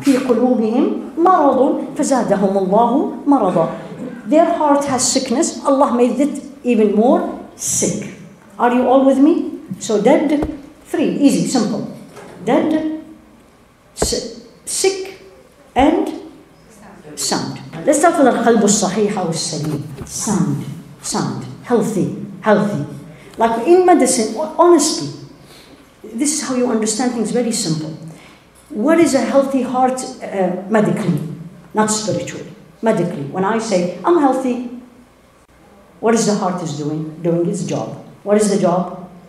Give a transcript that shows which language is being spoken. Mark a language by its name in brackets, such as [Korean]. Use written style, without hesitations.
[Arabic] في قلوبهم مرض فزادهم الله مرضا. [English] Their heart has sickness. Allah made it even more sick. Are you all with me? So dead, three, easy, simple. Dead, sick, and sound. Let's start with [Arabic] القلب الصحيح أو السليم. [English] Sound, healthy. Like in medicine, honestly, this is how you understand things, very simple. What is a healthy heart medically, not spiritually, medically? When I say, I'm healthy, what is the heart is doing? Doing its job. What is the job?